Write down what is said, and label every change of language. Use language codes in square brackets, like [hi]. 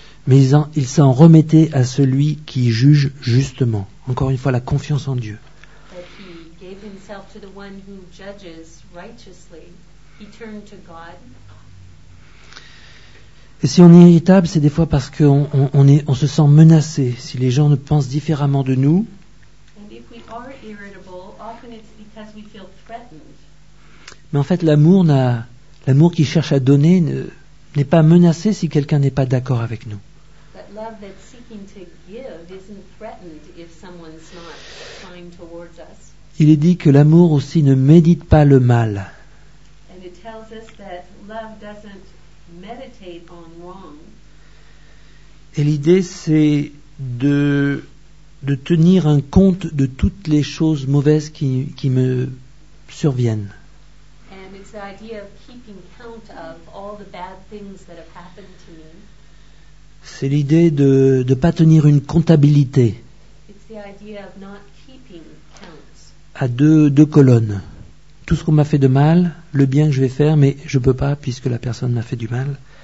[fr] Mais il s'en remettait à celui qui juge justement. Encore une fois, la confiance en Dieu. [en] But he gave himself to the one who judges righteously. He turned to God. [fr] Et si on est irritable, c'est des fois parce qu'on se sent menacé. Si les gens ne pensent différemment de nous. [en] And irritable, often it's because we feel threatened. [fr] Mais en fait, l'amour qui cherche à donner n'est pas menacé si quelqu'un n'est pas d'accord avec nous. [en] But love that's seeking to give isn't threatened if someone's not trying towards us. [fr] Il est dit que l'amour aussi ne médite pas le mal. [en] And it tells us that love doesn't meditate on wrong. [fr] Et l'idée, c'est de tenir un compte de toutes les choses mauvaises qui me surviennent. [en] And it's the idea of keeping count of all the bad things that have happened to me. [fr] C'est l'idée de ne pas tenir une comptabilité. [en] It's the idea of not keeping counts. [fr] À deux colonnes. Tout ce qu'on m'a fait de mal, le bien que je vais faire, mais je ne peux pas puisque la personne m'a fait du mal.